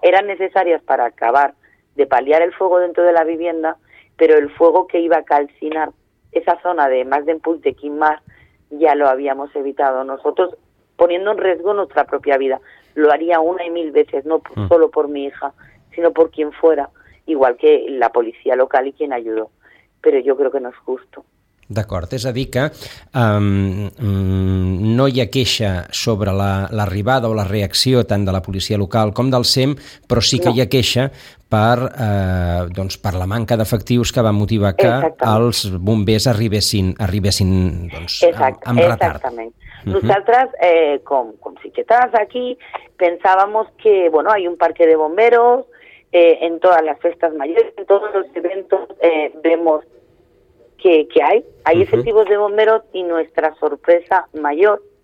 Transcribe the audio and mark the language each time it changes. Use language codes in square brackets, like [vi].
[es] Eran necesarias para acabar de paliar el fuego dentro de la vivienda, pero el fuego que iba a calcinar esa zona de Masdenpuig de Kimmar ya lo habíamos evitado nosotros, poniendo en riesgo nuestra propia vida. Lo haría una y mil veces, no solo por mi hija, sino por quien fuera, igual que la policía local y quien ayudó. Pero yo creo que no es justo. [ca] D'acord, és a dir que no hi ha queixa sobre l'arribada o la reacció tant de la policia local com del SEM, però sí que no. Hi ha queixa per la manca d'efectius que va motivar que els bombers arribessin amb retard. Exactament. Uh-huh. Nosaltres, com si quedàs aquí, [es] pensàvamos que, bueno, hay un parque de bomberos, en todas las fiestas mayores, en todos los eventos vemos que hay efectivos uh-huh. de bomberos, y nuestra sorpresa mayor